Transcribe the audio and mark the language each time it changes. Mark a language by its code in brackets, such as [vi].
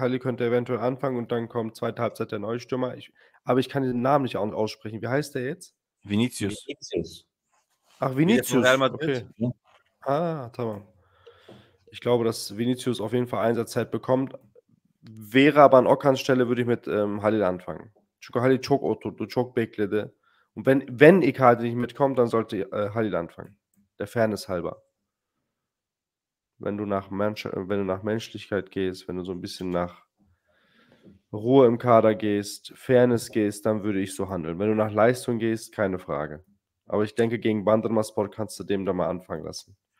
[de] Halil könnte eventuell anfangen und dann kommt zweite Halbzeit der neue Stürmer. Aber ich kann den Namen nicht aussprechen. Wie heißt der jetzt? Vinicius. Ach, Vinicius. Okay. [tr] Ah, tamam. [de] Ich glaube, dass Vinicius auf jeden Fall Einsatzzeit bekommt. Wäre aber an Okans Stelle, würde ich mit Halil anfangen. [tr] Halil çok oturdu, çok bekledi. [de] Und wenn Icardi nicht mitkommt, dann sollte Halil anfangen. Der Fairness halber. Wenn du nach Menschlichkeit gehst, wenn du so ein bisschen nach Ruhe im Kader gehst, Fairness gehst, dann würde ich so handeln. Wenn du nach Leistung gehst, keine Frage. Aber ich denke, gegen Bandırmaspor kannst du dem da mal anfangen lassen.